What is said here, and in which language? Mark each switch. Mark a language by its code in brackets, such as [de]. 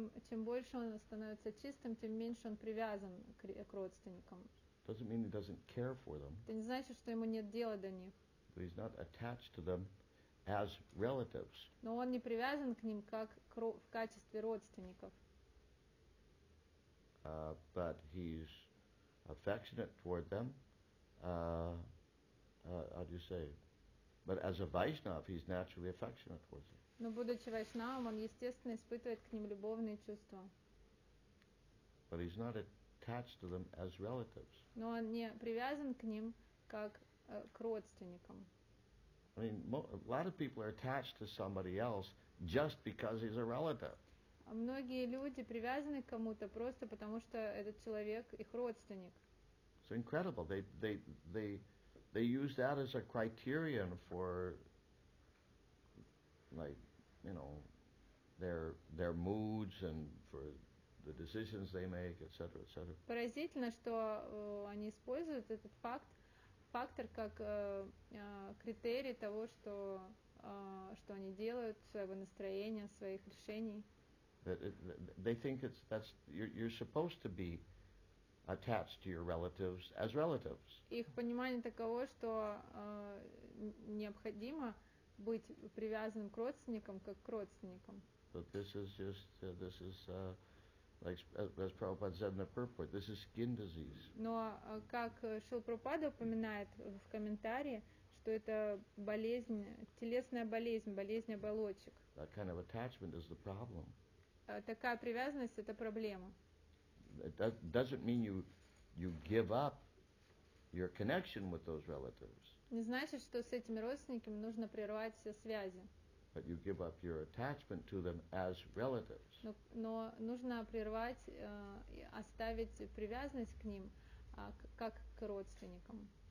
[ru] Тем больше он становится чистым, тем меньше он привязан к родственникам. [en] Doesn't mean he doesn't care for them. [ru] Это не значит, что ему нет дела до них. [en] But he's not attached to them as relatives. [ru] Но он не привязан к ним как в качестве родственников. [en] But he's affectionate toward them. How do you say? But as a Vaishnav, he's naturally affectionate towards them. [ru] Но будучи Вайшнавом, он естественно испытывает к ним любовные чувства. [en] But he's not attached to them as relatives. [ru] Но он не привязан к ним как к родственникам. [en] I mean, a lot of people are attached to somebody else just because he's a relative. [ru] Многие люди привязаны к кому-то просто потому, что этот человек их родственник. [en] It's incredible. They use that as a criterion for, like, you know, their moods and for the decisions they make, etc., etc. [ru] Поразительно, что они используют этот фактор как критерий того, что они делают, своего настроения, своих решений. [en] They think that's you're supposed to be attached to your relatives as relatives. [ru] Их понимание таково, что необходимо быть привязанным к родственникам как к родственникам. [en] But this is just this is like as Prabhupada said in the purport, this is skin disease. [ru] Но как Шрила Прабхупада упоминает в комментарии, что это болезнь, телесная болезнь, болезнь оболочек. [en] That kind of attachment is the problem. [ru] Такая привязанность — это проблема. [en] It doesn't mean you give up your connection with those relatives. [ru] Не значит, что с этими родственниками нужно прервать все связи. [en] But you give up your attachment to them as relatives. [ru] Но нужно прервать, оставить привязанность к ним, как к родственникам.